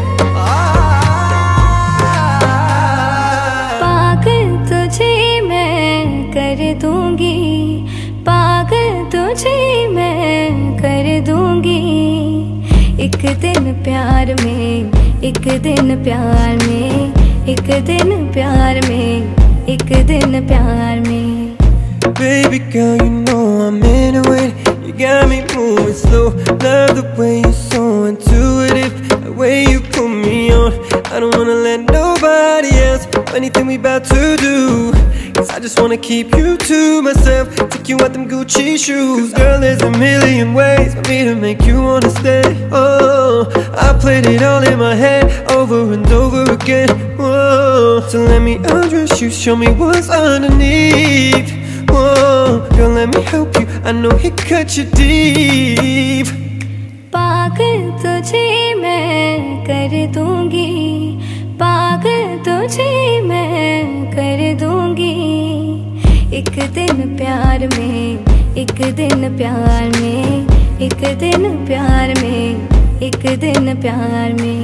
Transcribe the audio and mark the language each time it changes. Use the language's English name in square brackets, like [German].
[Hindi] पागल तुझे मैं कर दूंगी, पागल तुझे मैं कर दूंगी, एक दिन प्यार में, एक दिन प्यार में, एक दिन प्यार में, एक दिन प्यार में। [English] Baby girl, you know I'm in a way. You got me moving slow. Love the way you're so intuitive. The way you put me on. I don't wanna let nobody else know anything we about to do. Cause I just wanna keep you to myself. Take you out them Gucci shoes. Girl, there's a million ways for me to make you wanna stay. Oh, I played it all in my head over and over again. Whoa. So let me undress you, show me what's underneath. Whoa. Girl, let me help you, I know he cut you deep. [Hindi] पागल तुझे मैं कर दूंगी, पागल तुझे मैं कर दूंगी, एक दिन प्यार में, एक दिन प्यार में, एक दिन प्यार में, एक दिन प्यार में।